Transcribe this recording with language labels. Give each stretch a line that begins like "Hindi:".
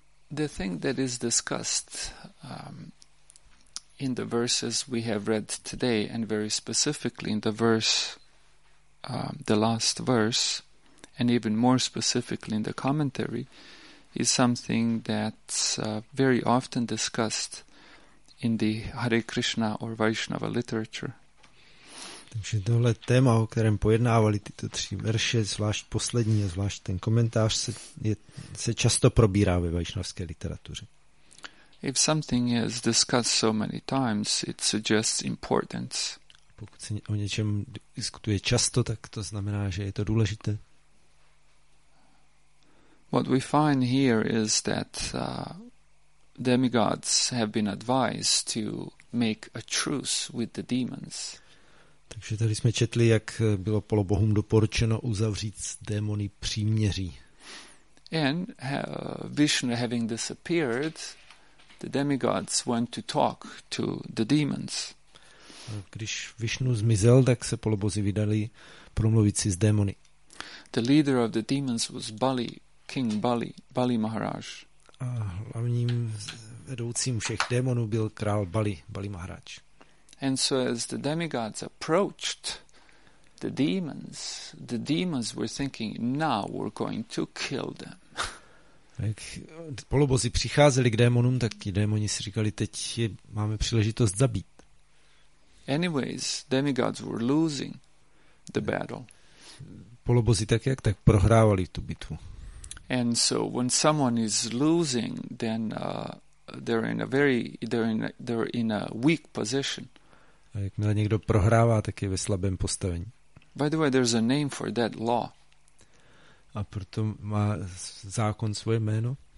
English: The thing that is discussed in the verses we have read today, and very specifically in the verse, the last verse, and even more specifically in the commentary, is something that's very often discussed in the Hare Krishna or Vaishnava literature.
Czech: Takže tohle téma, o kterém pojednávali tyto tři verše, zvlášť poslední a zvlášť ten komentář, se často probírá ve vaishnavské literatuře.
English: If something is discussed so many times, it suggests importance.
Czech: Pokud se o něčem diskutuje často, tak to znamená, že je to důležité.
English: What we find here is that demigods have been advised to make a truce with the demons.
Czech: Takže tady jsme četli, jak bylo polobohům doporučeno uzavřít s démony příměří.
English: And Vishnu having disappeared, the demigods went to talk to the demons.
Czech: Když Vishnu zmizel, tak se polobozy vydali promluvit si s démony.
English: The leader of the demons was Bali, King Bali, Bali Maharaj.
Czech: A hlavním vedoucím všech démonů byl král Bali, Bali Maharaj.
English: And so as the demigods approached the demons were thinking, now we're going to kill them.
Czech: Jak polobozy přicházeli k démonům, tak i démoni si říkali, teď je, máme příležitost zabít.
English: Anyways, demigods were losing the battle.
Czech: Polobozy tak jak tak prohrávali tu bitvu.
English: And so when someone is losing, then they're in a weak position.
Czech: A jakmile někdo prohrává, tak je ve slabém postavení.
English: By the way, there's a name for that law.
Czech: A proto má zákon svoje jméno.